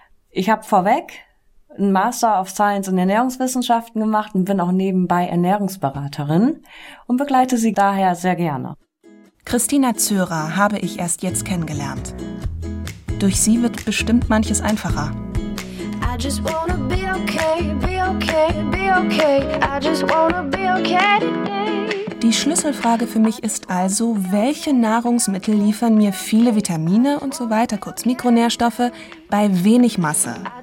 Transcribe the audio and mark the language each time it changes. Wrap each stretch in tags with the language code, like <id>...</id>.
<de>Ich habe vorweg einen Master of Science in Ernährungswissenschaften gemacht und bin auch nebenbei Ernährungsberaterin und begleite Sie daher sehr gerne. Christina Zürer habe ich erst jetzt kennengelernt. Durch sie wird bestimmt manches einfacher.</de> <en>I just wanna be okay, be okay, be okay. I just wanna be okay today.</en> <de>Die Schlüsselfrage für mich ist also, welche Nahrungsmittel liefern mir viele Vitamine und so weiter, kurz Mikronährstoffe, bei wenig Masse?</de>